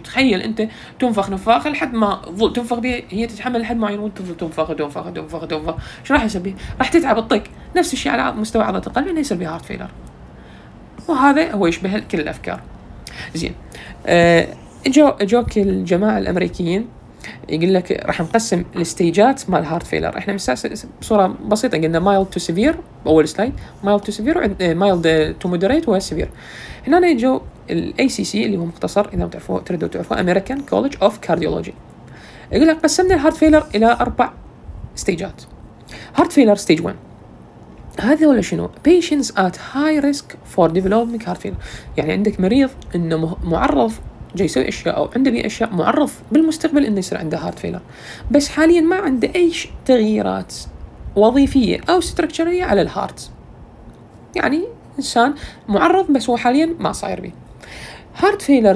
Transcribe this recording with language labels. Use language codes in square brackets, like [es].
[ar] تخيل أنت تنفخ نفاخ لحد ما تنفخ بيه, هي تتحمل لحد ما ينون تفضل تنفخ تنفخ تنفخ تنفخ, شو راح يسوي؟ راح تتعب الطق. نفس الشيء على مستوى عضلة القلب إنه يصير بيها هارت فيلر, وهذا هو يشبه كل الأفكار. زين اجوك الجماعة الأمريكيين يقول لك راح نقسم الاستيجات مال هارت فيلر. احنا مساس بصورة بسيطة قلنا mild to severe, اول سلايد mild to severe, mild to moderate و severe. هنا نجو الـ ACC اللي هو مختصر اذا بتعرفوا تردوا تعرفوا American College of Cardiology, يقول لك قسمنا الهارت فيلر الى اربع استيجات. [en] heart failure stage 1 [ar] هذا ولا شنو؟ [en] patients at high risk for developing heart failure. [ar] يعني عندك مريض انه معرض جاي يسوي أشياء أو عنده بي أشياء معرف بالمستقبل إنه يصير عنده هارت فيلر, بس حاليا ما عنده أي تغييرات وظيفية أو ستركتشرية على الهارت. يعني إنسان معرف بس هو حاليا ما صاير بي هارت فيلر.